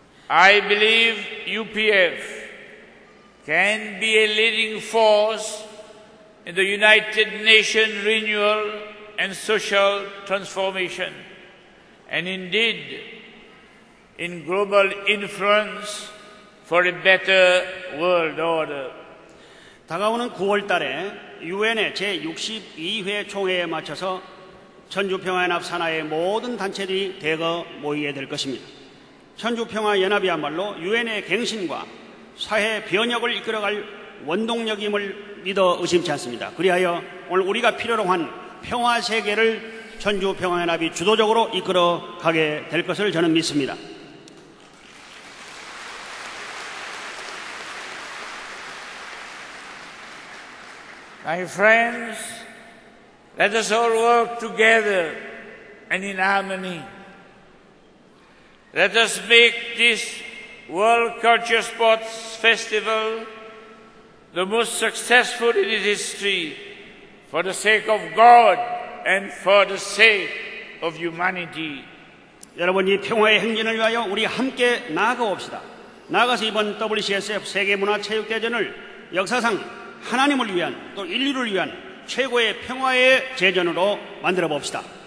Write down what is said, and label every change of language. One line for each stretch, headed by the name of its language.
English: I believe UPF can be a leading force in the United Nations renewal and social transformation, and indeed in global influence for a better world order.
Korean: 다가오는 9월 달에 UN의 제62회 총회에 맞춰서 천주평화연합 산하의 모든 단체들이 대거 모이게 될 것입니다. 천주평화연합이야말로 유엔의 갱신과 사회 변혁을 이끌어갈 원동력임을 믿어 의심치 않습니다. 그리하여 오늘 우리가 필요로 한 평화세계를 천주평화연합이 주도적으로 이끌어가게 될 것을 저는 믿습니다.
English: My friends, let us all work together and in harmony. Let us make this World Culture Sports Festival the most successful in its history for the sake of God and for the sake of humanity.
Korean: 여러분, 이 평화의 행진을 위하여 우리 함께 나아가옵시다. 나아가서 이번 WCSF 세계문화체육대전을 역사상 하나님을 위한 또 인류를 위한 최고의 평화의 제전으로 만들어 봅시다.